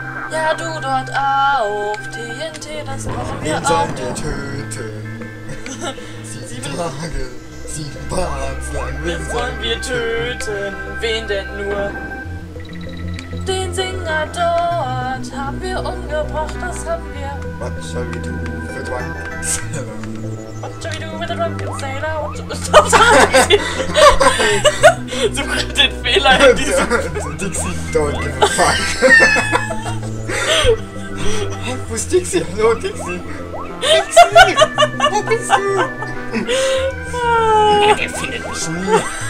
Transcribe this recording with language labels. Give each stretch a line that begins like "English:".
German: Ja, du dort auch, TNT, das brauchen wir auch. Sollen wir töten? 7 Tage, 7 Parts lang. Wen sollen wir töten? Wen denn nur? Den Singer dort haben wir umgebracht, das haben wir.
English: What shall we do with a drunken sailor? What shall we do with a drunken sailor?
German: Stop, sag ich! Such den Fehler in diesem.
English: Dixie, don't give a fuck.
German: Wo ist Dixie? Hallo, Dixie! Dixie! Wo bist du? Er findet mich nie.